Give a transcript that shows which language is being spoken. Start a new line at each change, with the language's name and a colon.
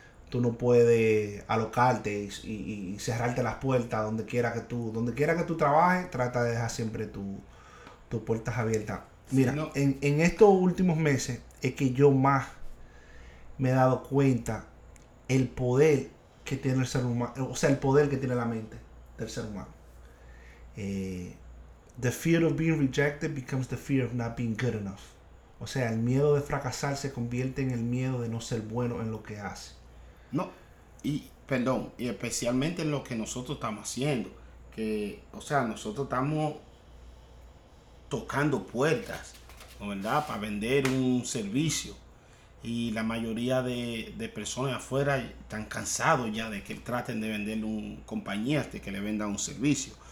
Spanish: Tú no puedes alocarte y cerrarte las puertas donde quiera que tú trabajes, trata de dejar siempre tus puertas abiertas. Mira, en estos últimos meses es que yo más me he dado cuenta el poder que tiene el ser humano, o sea, el poder que tiene la mente del ser humano.
English: The fear of being rejected becomes the fear of not being good enough.
Spanish: O sea, el miedo de fracasar se convierte en el miedo de no ser bueno en lo que hace. No, y perdón, y especialmente en lo que nosotros estamos haciendo. Que, o sea, nosotros estamos tocando puertas, ¿no, verdad? Para vender un servicio. Y la mayoría de personas afuera están cansados ya de que traten de venderle un compañía, de que le venda un servicio.